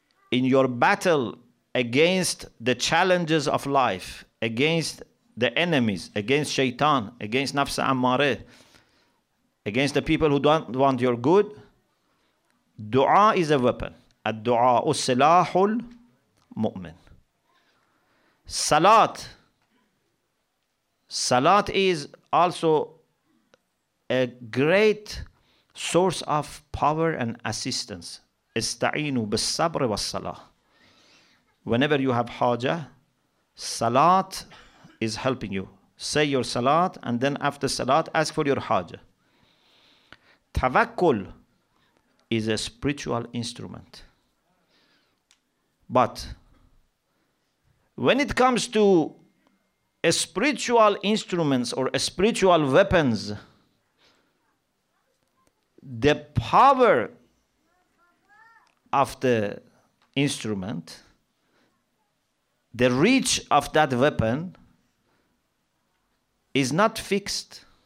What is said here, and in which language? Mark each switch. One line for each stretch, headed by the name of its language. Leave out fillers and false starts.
English: In your battle against the challenges of life, against the enemies, against shaitan, against nafs ammare, against the people who don't want your good, dua is a weapon.
Arabic: الدُعَاء السِّلَاحُ الْمُؤْمِنِ. Salat.
English: Salat is also a great source of power and assistance.
Arabic: استعينوا بالصبر والصلاة.
English: Whenever you have haja, salat is helping you. Say your salat, and then after salat, ask for your haja. Tawakkul is a spiritual instrument. But when it comes to spiritual instruments or spiritual weapons, the power of the instrument, the reach of that weapon, is not fixed.